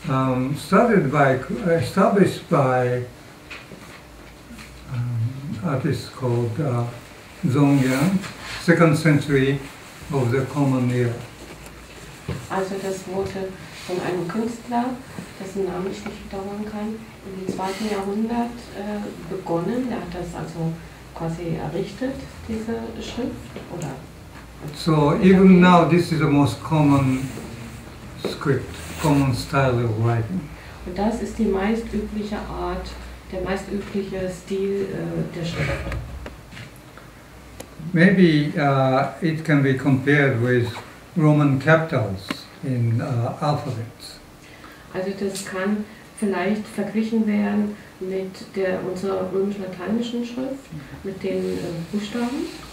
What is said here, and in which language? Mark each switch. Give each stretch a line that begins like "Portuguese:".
English: Established by artist called Zongyan, second century of the common era.
German: Also das wurde von einem Künstler, dessen Namen ich nicht bedauern kann, im 2. Jahrhundert begonnen. Er hat das also quasi errichtet, diese Schrift, oder?
English: So even now this is the most common script, common style of writing.
German: Und das ist die meistübliche Art, der meistübliche Stil der Schrift.
English: Maybe it can be compared with Roman capitals in alphabets.
German: Also das kann vielleicht verglichen werden mit der unserer römisch-lateinischen Schrift, mit den Buchstaben.